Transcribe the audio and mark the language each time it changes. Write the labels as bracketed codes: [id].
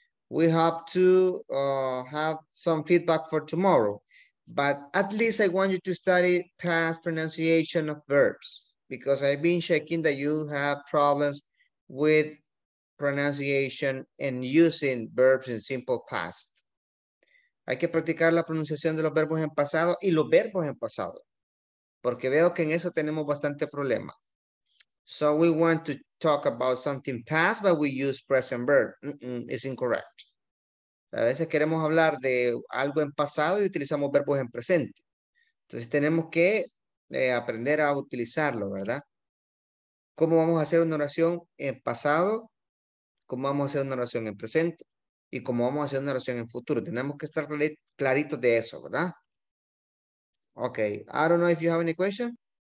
[en] We hope to have some feedback for tomorrow, but at least I want you to study past pronunciation of verbs because I've been checking that you have problems with pronunciation and using verbs in simple past. [es] Hay que practicar la pronunciación de los verbos en pasado y los verbos en pasado. Porque veo que en eso tenemos bastante problema. [en] So we want to talk about something past, but we use present verb. It's incorrect. [es] A veces queremos hablar de algo en pasado y utilizamos verbos en presente. Entonces tenemos que aprender a utilizarlo, ¿verdad? ¿Cómo vamos a hacer una oración en pasado? ¿Cómo vamos a hacer una oración en presente? ¿Y cómo vamos a hacer una oración en futuro? Tenemos que estar claritos de eso, ¿verdad? [en] Okay, I don't know if you have any question.